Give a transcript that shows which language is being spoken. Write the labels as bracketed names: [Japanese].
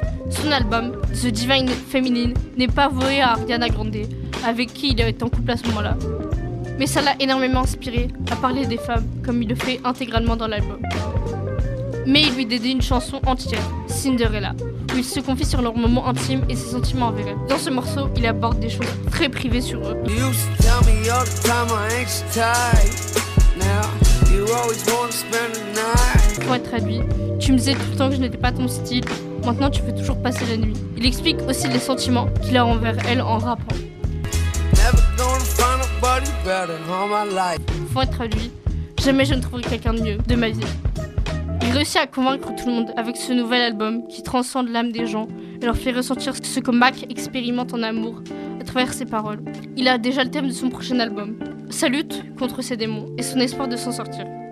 [French] Son album, The Divine Feminine, n'est pas voué à Ariana Grande, avec qui il est en couple à ce moment-là. Mais ça l'a énormément inspiré à parler des femmes, comme il le fait intégralement dans l'album. Mais il lui dédie une chanson entière, Cinderella, où ils se confient sur leurs moments intimes et ses sentiments envers elle. Dans ce morceau, il aborde des choses très privées sur eux. [English] You used to tell me all the time I ain't so tight. Now you always wanna spend the night. [French] Pour être traduit, tu me disais tout le temps que je n'étais pas ton style. Maintenant, tu veux toujours passer la nuit. Il explique aussi les sentiments qu'il a envers elle en rappant. [English] Never gonna find nobody better in all my life. [French] Pour être traduit, jamais je ne trouverai quelqu'un de mieux de ma vie. Il réussit à convaincre tout le monde avec ce nouvel album qui transcende l'âme des gens et leur fait ressentir ce que Mac expérimente en amour à travers ses paroles. Il a déjà le thème de son prochain album, sa lutte contre ses démons et son espoir de s'en sortir.